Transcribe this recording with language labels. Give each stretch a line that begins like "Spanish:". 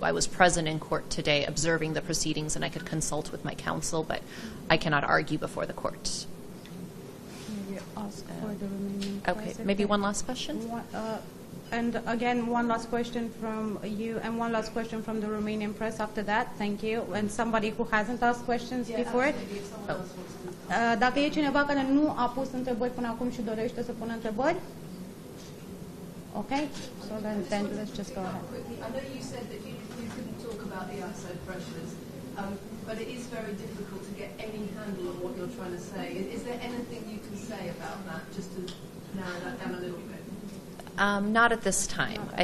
English: I was present in court today observing the proceedings, and I could consult with my counsel, but I cannot argue before the court. Maybe ask for the Romanian okay, maybe one last question? And again, one last question from you, and one last question from the Romanian press after that. Thank you. And somebody who hasn't asked questions before.
Romanian: Dacă e cineva care nu a pus întrebări până acum și dorește să pună întrebări?
English: Ok? So then let's just go ahead. I know you said that you couldn't talk about the outside pressures, but it is very difficult to get any handle on what you're trying to say. Is there anything you can say about that, just to narrow that down a little bit? Not at this time. Okay.